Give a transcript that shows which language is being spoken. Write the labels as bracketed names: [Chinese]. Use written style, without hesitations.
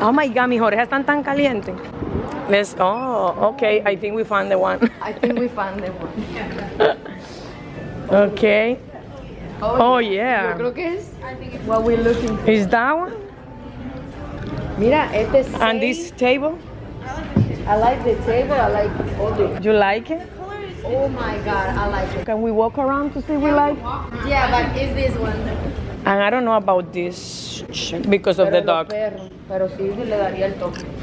[English] Oh my God, [Spanish] mis orejas están tan calientes. [English] Let's, oh, okay, I think we found the one. I think we found the one. Okay. Oh, oh yeah. Yeah. [Spanish] Yo creo que es, [English] I think it's what we're looking for. Is that one? [Spanish] Mira, este es. [English] And this table? I like the table. I like all this. You like it? Oh my God, I like it. Can we walk around to see if we like? Yeah, but is this one? And I don't know about this because of [Spanish] pero [English] the dog. [Spanish] Perro, pero sí, sí le daría el toque.